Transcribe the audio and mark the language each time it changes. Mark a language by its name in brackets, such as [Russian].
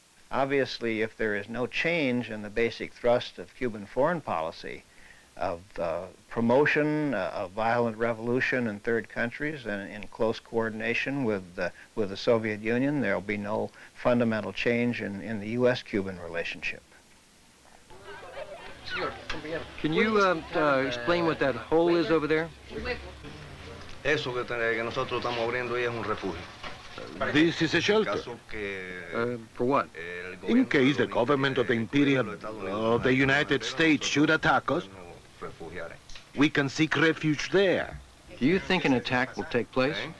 [English] Obviously, if there is no change in the basic thrust of Cuban foreign policy of promotion of violent revolution in third countries and in close coordination with the Soviet Union, there will be no fundamental change in the U.S.-Cuban relationship. Can you explain what that hole is over there? [Spanish] Eso que nosotros estamos abriendo ahí es un refugio. [English] This is a shelter. For what? In case the government of the Imperial of the United States should attack us, we can seek refuge there. Do you think an attack will take place?